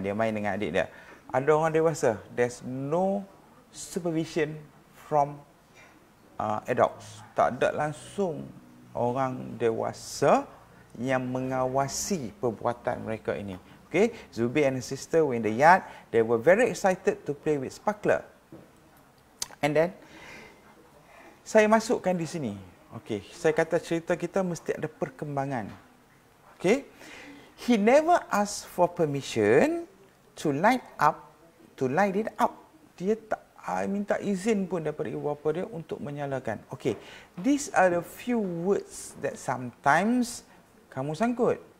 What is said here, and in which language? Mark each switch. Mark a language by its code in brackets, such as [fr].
[ms] Dia main dengan adik dia. Ada orang dewasa. [en] There's no supervision from adults. [ms] Tak ada langsung orang dewasa yang mengawasi perbuatan mereka ini. [en] Okay, Zubay and his sister were in the yard. They were very excited to play with sparkler. And then, [ms] saya masukkan di sini. Okay, saya kata cerita kita mesti ada perkembangan. [en] Okay, he never asked for permission to light up, to light it up. [ms] Dia tak minta izin pun daripada ibu bapa dia untuk menyalakan. [en] Okay, these are the few words that sometimes [ms] kamu sangkut.